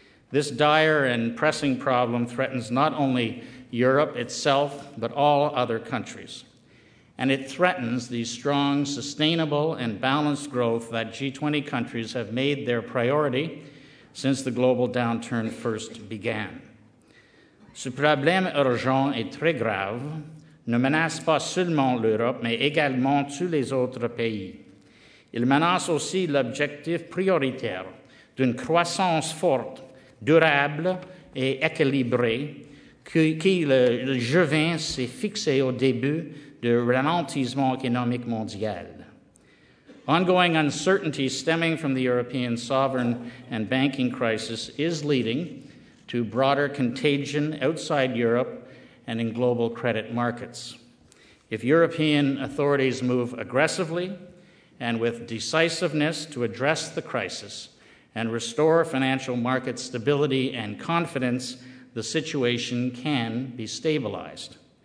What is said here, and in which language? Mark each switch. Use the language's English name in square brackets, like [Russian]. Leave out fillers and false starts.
[English] This dire and pressing problem threatens not only Europe itself, but all other countries. And it threatens the strong, sustainable, and balanced growth that G20 countries have made their priority since the global downturn first began. [French] Ce problème urgent et très grave ne menace pas seulement l'Europe, mais également tous les autres pays. Il menace aussi l'objectif prioritaire d'une croissance forte, durable et équilibrée qui le G20 s'est fixé au début du ralentissement économique mondial. [English] Ongoing uncertainty stemming from the European sovereign and banking crisis is leading to broader contagion outside Europe and in global credit markets. If European authorities move aggressively and with decisiveness to address the crisis and restore financial market stability and confidence, the situation can be stabilized.